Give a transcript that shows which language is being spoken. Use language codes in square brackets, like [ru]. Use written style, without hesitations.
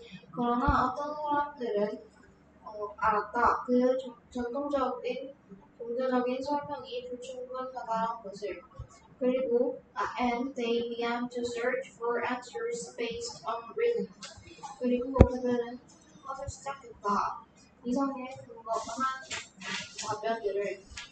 [ko] 그러나 어떤 사람들은 알았다. 그 전통적인 종교적인 설명이 불충분하다는 것을. [en] 그리고 and they began to search for answers based on reason. [ko] 그리고 그들은 그것을 시작했다. 이성에 근거한 답변들을.